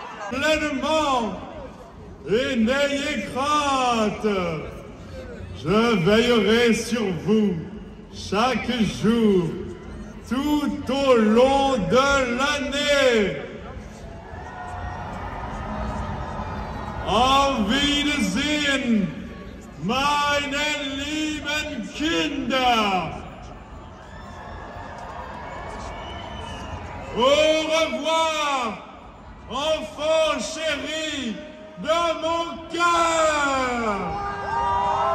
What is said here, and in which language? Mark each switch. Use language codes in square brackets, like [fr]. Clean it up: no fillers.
[fr] Pleinement et n'ayez crainte, je veillerai sur vous chaque jour tout au long de l'année. [de] Auf Wiedersehen, meine lieben Kinder! [fr] Au revoir, enfants chéris de mon cœur!